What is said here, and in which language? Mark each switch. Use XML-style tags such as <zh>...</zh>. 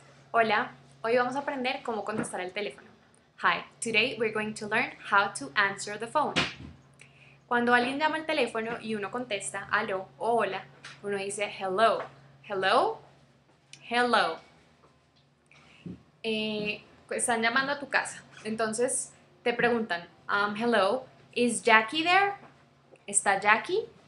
<es>Hola, hoy vamos a aprender cómo contestar el teléfono.</es> <en>Hi, today we're going to learn how to answer the phone.</en> <es>Cuando alguien llama al teléfono y uno contesta, aló o hola, uno dice</es> <en>hello, hello, hello.</en> <es>Están llamando a tu casa, entonces te preguntan,</es> <en>hello, is Jackie there?</en> <es>¿Está Jackie?</es>